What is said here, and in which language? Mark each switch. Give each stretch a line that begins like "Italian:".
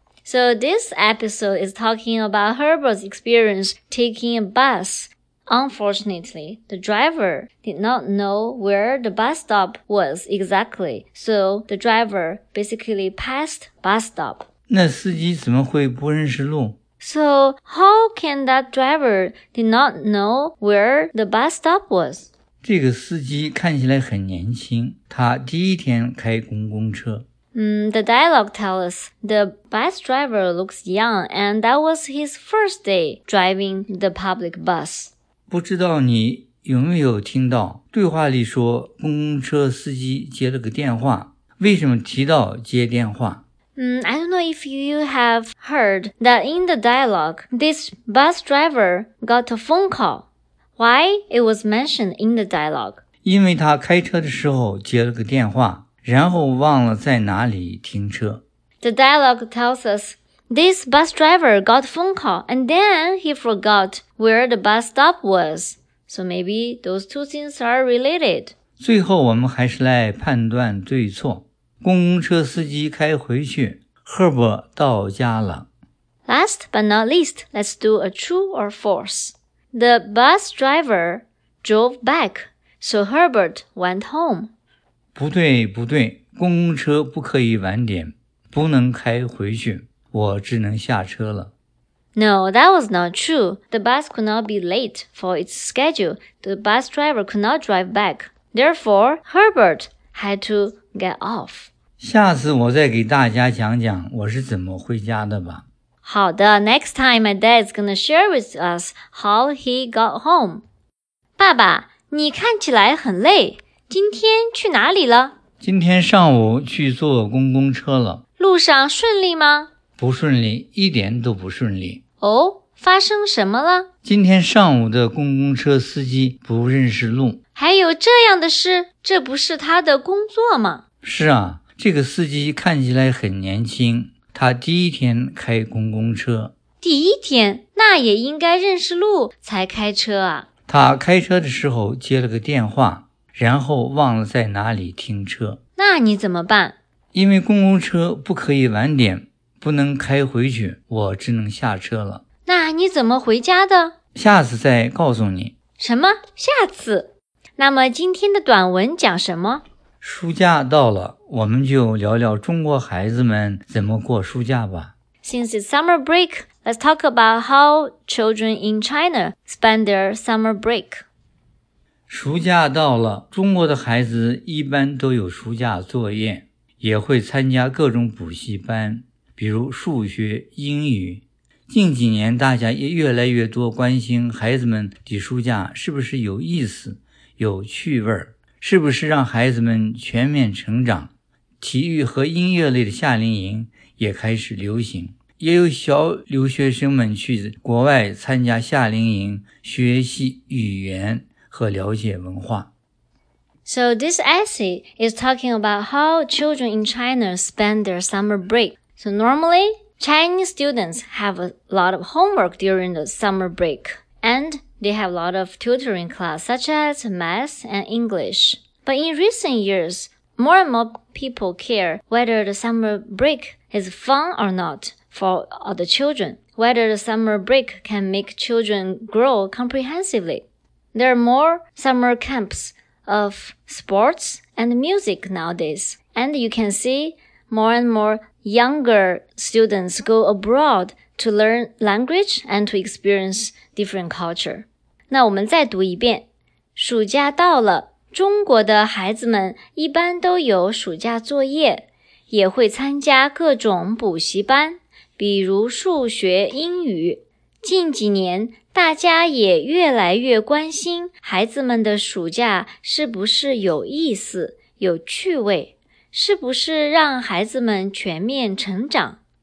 English: So this episode is talking about Herbert's experience taking a bus. Unfortunately, the driver did not know where the bus stop was exactly. So the driver basically passed bus stop.
Chinese: 那司机怎么会不认识路?
English: So how can that driver did not know where the bus stop was?
Chinese: 这个司机看起来很年轻,他第一天开公共车。
English: The dialogue tells us the bus driver looks young and that was his first day driving the public bus.
Chinese: 不知道你有没有听到对话里说公共车司机接了个电话。为什么提到接电话?
English: I don't know if you have heard that in the dialogue, this bus driver got a phone call. Why it was mentioned in the dialogue?
Chinese: 因为他开车的时候接了个电话。然后忘了在哪里停车。
English: The dialogue tells us, this bus driver got phone call, and then he forgot where the bus stop was. So maybe those two things are related.
Chinese: 最后我们还是来判断对错。公共车司机开回去 ,Herbert 到家了。
English: Last but not least, let's do a true or false. The bus driver drove back, so Herbert went home.
Chinese: 不对不对公共车不可以晚点不能开回去我只能下车了。
English: No, that was not true. The bus could not be late for its schedule. The bus driver could not drive back. Therefore, Herbert had to get off.
Chinese: 下次我再给大家讲讲我是怎么回家的吧。好的
English: next time my dad is gonna share with us how he got home.
Chinese: 爸爸你看起来很累。今天去哪里了？今天上午去坐公共车了。路上顺利吗？不顺利，一点都不顺利。哦，发生什么了？今天上午的公共车司机不认识路。还有这样的事？这不是他的工作吗？是啊，这个司机看起来很年轻，他第一天开公共车。第一天？那也应该认识路才开车啊。他开车的时候接了个电话。然后忘了在哪里停车。那你怎么办？因为公共车不可以晚点，不能开回去，我只能下车了。那你怎么回家的？下次再告诉你。什么？下次？那么今天的短文讲什么？暑假到了，我们就聊聊中国孩子们怎么过暑假吧。 Since it's summer break, let's talk about how children in China spend their summer break. 暑假到了，中国的孩子一般都有暑假作业。也会参加各种补习班，比如数学、英语。近几年大家也越来越多关心孩子们的书架是不是有意思、有趣味，是不是让孩子们全面成长。体育和音乐类的夏令营也开始流行，也有小留学生们去国外参加夏令营，学习语言和了解文化。
English: So this essay is talking about how children in China spend their summer break. So normally, Chinese students have a lot of homework during the summer break, and they have a lot of tutoring class such as math and English. But in recent years, more and more people care whether the summer break is fun or not for the children, whether the summer break can make children grow comprehensively. There are more summer camps of sports and music nowadays, and you can see more and more younger students go abroad to learn language and to experience different culture.
Chinese: 那我们再读一遍。暑假到了，中国的孩子们一般都有暑假作业，也会参加各种补习班，比如数学、英语。近几年，大家也越来越关心孩子们的暑假是不是有意思、有趣味，是不是让孩子们全面成长。